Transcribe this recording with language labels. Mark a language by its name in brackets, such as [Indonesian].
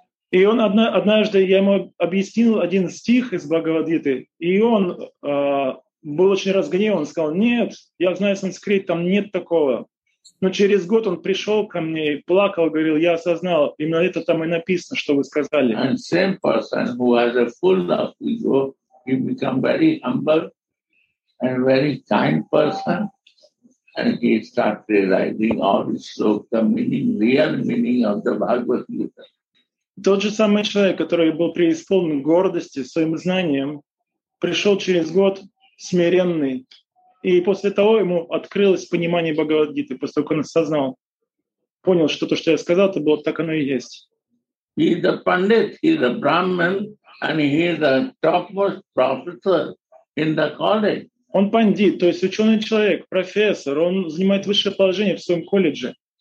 [Russian] И он однажды, я ему объяснил один стих из Бхагавад-гиты, и он был очень разгневан, сказал, нет, я знаю санскрит, там нет такого. Но через год он пришел ко мне и плакал, говорил, я осознал, именно это там и написано, что вы сказали. [English] And same person who has a full of ego, he become very humble and very kind person, and he start realizing all his sloka meaning, real meaning of the Bhagavad-gita. [Russian] Тот же самый человек, который был преисполнен гордости своим знанием, пришел через год смиренный, и после того ему открылось понимание Бхагавад-гиты, после того, как он осознал, понял, что то, что я сказал, это было так оно и есть. [English] He is a pandit, he is a brahmin, and he is the topmost professor in the college. [Russian] Он пандит, то есть ученый человек, профессор, он занимает высшее положение в своем колледже.